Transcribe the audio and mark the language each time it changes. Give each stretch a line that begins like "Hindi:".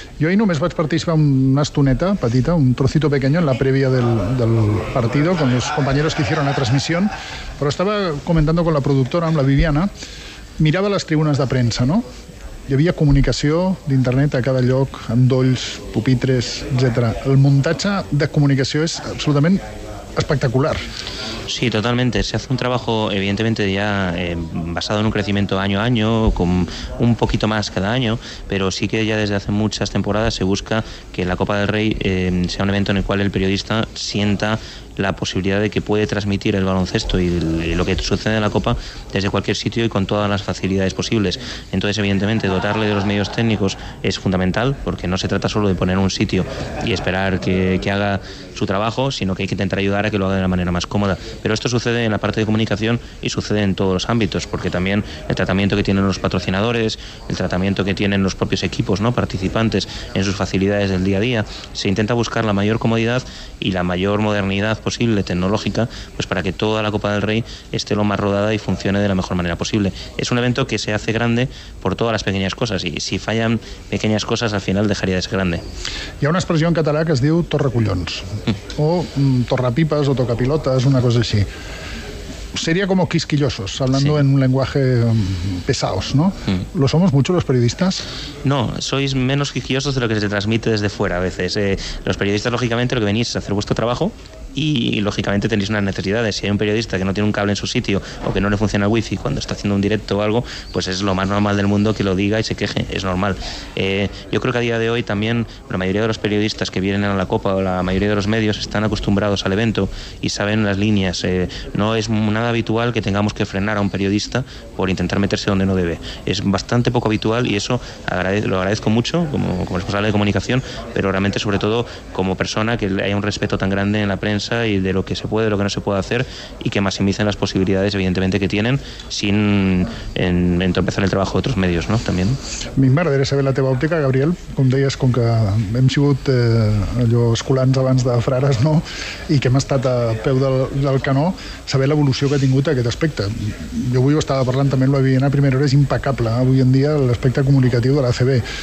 Catalan: Jo ahir només vaig participar una estoneta petita,
Spanish: un trocito pequeño en la previa del partido con los compañeros que hicieron la transmisión,
Catalan: però estava
Spanish: comentando con la productora,
Catalan: amb la Viviana, mirava les tribunes de premsa, no? Hi havia comunicació d'internet a cada lloc, endolls, pupitres, etc. El muntatge de comunicació és absolutament espectacular.
Spanish: Sí, totalmente. Se hace un trabajo, evidentemente, ya basado en un crecimiento año a año, con un poquito más cada año, pero sí que ya desde hace muchas temporadas se busca que la Copa del Rey sea un evento en el cual el periodista sienta la posibilidad de que puede transmitir el baloncesto y lo que sucede en la Copa desde cualquier sitio y con todas las facilidades posibles. Entonces, evidentemente, dotarle de los medios técnicos es fundamental, porque no se trata solo de poner un sitio y esperar que haga su trabajo, sino que hay que intentar ayudar a que lo haga de la manera más cómoda. Pero esto sucede en la parte de comunicación y sucede en todos los ámbitos, porque también el tratamiento que tienen los patrocinadores, el tratamiento que tienen los propios equipos, ¿no?, participantes en sus facilidades del día a día, se intenta buscar la mayor comodidad y la mayor modernidad posible, tecnológica, pues para que toda la Copa del Rey esté lo más rodada y funcione de la mejor manera posible. Es un evento que se hace grande por todas las pequeñas cosas, y si fallan pequeñas cosas, al final dejaría de ser grande.
Catalan: Hi ha una expressió en català que es diu torrecollons, o torrapipes o tocapilotes, una cosa així.
Spanish: Sería como quisquillosos, hablando, sí, en un lenguaje pesados, ¿no? ¿Lo somos mucho los periodistas? No, sois menos quisquillosos de lo que se transmite desde fuera a veces. Los periodistas, lógicamente, lo que venís es hacer vuestro trabajo y, lógicamente, tenéis unas necesidades. Si hay un periodista que no tiene un cable en su sitio o que no le funciona el wifi cuando está haciendo un directo o algo, pues es lo más normal del mundo que lo diga y se queje. Es normal. Yo creo que a día de hoy también la mayoría de los periodistas que vienen a la Copa o la mayoría de los medios están acostumbrados al evento y saben las líneas. No es nada habitual que tengamos que frenar a un periodista por intentar meterse donde no debe. Es bastante poco habitual y eso lo agradezco mucho como responsable de comunicación, pero realmente sobre todo como persona, que haya un respeto tan grande en la prensa y de lo que se puede, de lo que no se puede hacer, y que maximicen las posibilidades, evidentemente, que tienen sin entorpecer el trabajo de otros medios, ¿no? También.
Catalan: Mi mare de saber la teva òptica, Gabriel, com deies, com que hem sigut allò esculants abans de frares, no?, i que hem estat a peu del canó, saber la evolució que ha tingut aquest aspecte. Jo avui ho estava parlant també amb la Viviana, a primera hora, és impecable avui en dia l'aspecte comunicatiu de la CB.